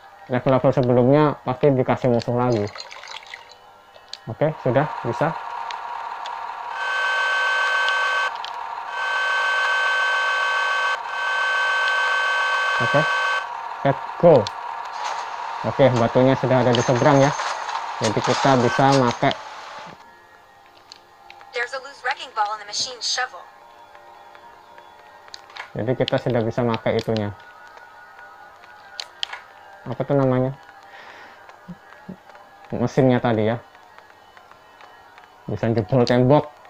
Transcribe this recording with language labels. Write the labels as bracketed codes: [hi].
[id] level-level sebelumnya pasti dikasih musuh lagi. Oke, sudah bisa. Oke, [en] let's go. [id] Oke, batunya sudah ada di seberang ya. Jadi kita bisa pakai. [en] There's a loose wrecking ball in the machine shovel. [id] Jadi kita sudah bisa pakai itunya. Apa tuh namanya? Mesinnya tadi ya. Bisa jebol tembok.